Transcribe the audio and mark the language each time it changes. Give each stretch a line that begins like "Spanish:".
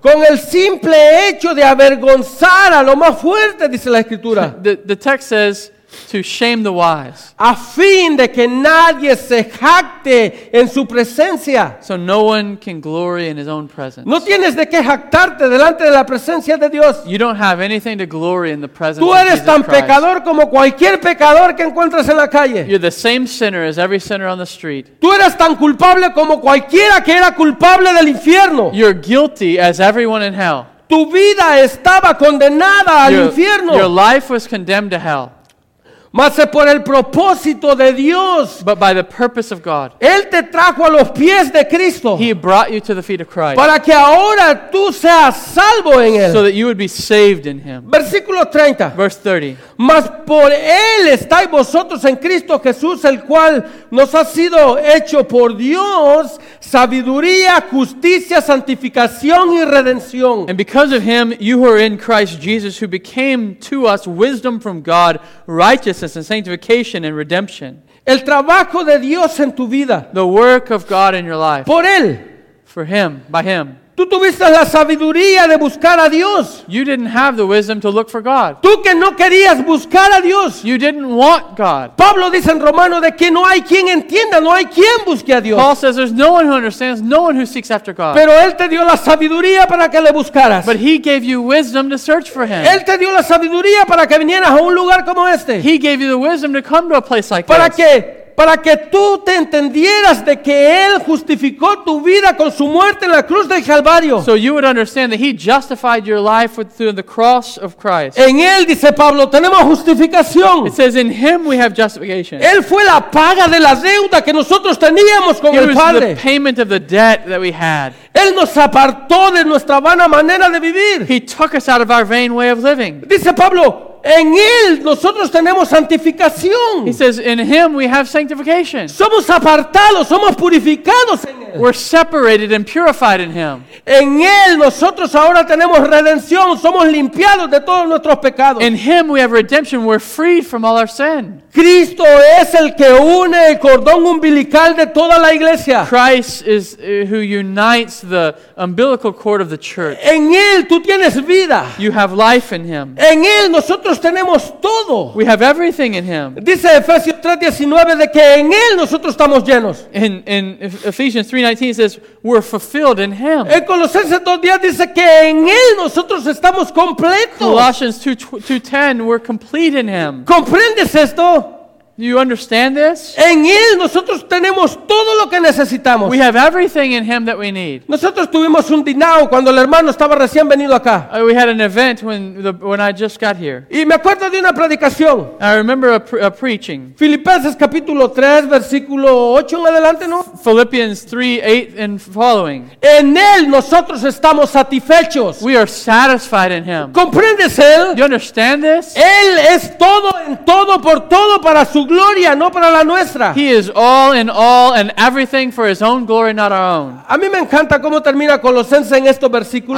Spanish: Con el simple hecho de avergonzar a lo más fuerte, dice la escritura.
English: The text says to shame the wise.
Spanish: A fin de que nadie se jacte en su presencia.
English: So no one can glory in his own presence.
Spanish: No tienes de qué jactarte delante de la presencia de Dios.
English: You don't have anything to glory in the presence of Jesus Christ.
Spanish: Tú eres tan pecador como cualquier pecador que encuentras en la calle.
English: You're the same sinner as every sinner on the street.
Spanish: Tú eres tan culpable como cualquiera que era culpable del infierno.
English: You're guilty as everyone in hell.
Spanish: Tu vida estaba condenada al infierno.
English: Your life was condemned to hell.
Spanish: Mas es por el propósito de Dios.
English: But by the purpose of God.
Spanish: Él te trajo a los pies de Cristo.
English: He brought you to the feet of Christ.
Spanish: Para que ahora tú seas salvo en él.
English: So that you would be saved in him.
Spanish: Versículo 30.
English: Verse 30.
Spanish: Mas por él estáis vosotros en Cristo Jesús, el cual nos ha sido hecho por Dios sabiduría, justicia, santificación y redención.
English: And because of him, you who are in Christ Jesus, who became to us wisdom from God, righteousness and sanctification and redemption.
Spanish: El trabajo de Dios en tu vida.
English: The work of God in your life.
Spanish: Por él.
English: For him, by him.
Spanish: Tú tuviste la sabiduría de buscar a Dios.
English: You didn't have the wisdom to look for God.
Spanish: Tú que no querías buscar a Dios.
English: You didn't want God.
Spanish: Pablo dice en Romanos de que no hay quien entienda, no hay quien busque a Dios.
English: Paul says there's no one who understands, no one who seeks after God.
Spanish: Pero él te dio la sabiduría para que le buscaras.
English: But he gave you wisdom to search for him.
Spanish: Él te dio la sabiduría para que vinieras a un lugar como este.
English: He gave you the wisdom to come to a place like this.
Spanish: ¿Para qué? Para que tú te entendieras de que Él justificó tu vida con su muerte en la cruz del Calvario.
English: So you would understand that He justified your life through the cross of Christ.
Spanish: En Él, dice Pablo, tenemos justificación.
English: It says in Him we have justification.
Spanish: Él fue la paga de la deuda que nosotros teníamos con el Padre.
English: He was the payment of the debt that we had.
Spanish: Él nos apartó de nuestra vana manera de vivir.
English: He took us out of our vain way of living.
Spanish: Dice Pablo, en él nosotros tenemos santificación.
English: He says, in him we have sanctification.
Spanish: Somos apartados, somos purificados en él.
English: We're separated and purified in him.
Spanish: En él nosotros ahora tenemos redención, somos limpiados de todos nuestros pecados.
English: In him we have redemption, we're freed from all our sin.
Spanish: Cristo es el que une el cordón umbilical de toda la iglesia.
English: Christ is who unites the umbilical cord of the church.
Spanish: En él tú tienes vida.
English: You have life in him.
Spanish: En él nosotros tenemos todo.
English: We have everything in him.
Spanish: Dice Efesios 3:19 de que en él nosotros estamos llenos.
English: In Ephesians 3:19 says we're fulfilled in him.
Spanish: En Colosenses 2:10 dice que en él nosotros estamos completos.
English: Colossians 2:10 we're complete in him.
Spanish: ¿Comprendes esto?
English: You understand this?
Spanish: En él nosotros tenemos todo lo que necesitamos.
English: We have everything in him that we need.
Spanish: Nosotros tuvimos un dinao cuando el hermano estaba recién venido acá.
English: We had an event when I just got here.
Spanish: Y me acuerdo de una predicación.
English: I remember a preaching.
Spanish: Filipenses capítulo 3 versículo 8 en adelante, ¿no?
English: Philippians 3:8 and following.
Spanish: En él nosotros estamos satisfechos.
English: We are satisfied in him.
Spanish: ¿Comprendes él?
English: You understand this?
Spanish: Él es todo en todo por todo para su gloria, no para la nuestra.
English: He is all in all and everything for his own glory, not our own.
Spanish: A mí me encanta cómo termina Colosenses en estos versículos.